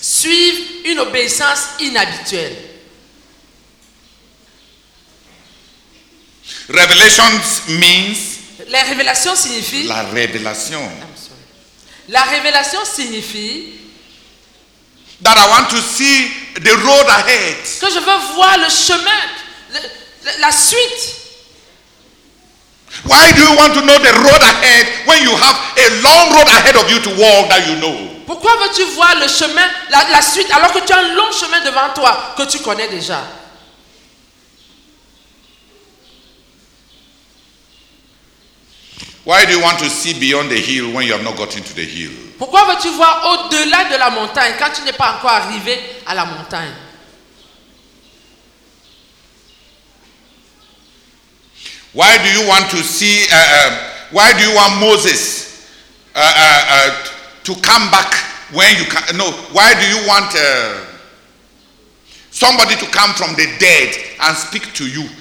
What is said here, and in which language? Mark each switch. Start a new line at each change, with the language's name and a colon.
French: Suivre une obéissance inhabituelle.
English: Revelations means.
French: La révélation signifie. La révélation.
English: I'm sorry.
French: La révélation signifie.
English: That I want to see the road ahead.
French: Que je veux voir le chemin, la suite.
English: Why do you want to know the road ahead when you have a long road ahead of you to walk that you know?
French: Pourquoi veux-tu voir le chemin, la suite alors que tu as un long chemin devant toi que tu connais déjà?
English: Why do you want to see beyond the hill when you have not gotten to the hill?
French: Pourquoi veux-tu voir au-delà de la montagne quand tu n'es pas encore arrivé à la montagne?
English: Why do you want to see why do you want Moses to come back when you can, no, why do you want somebody to come from the dead and speak to you?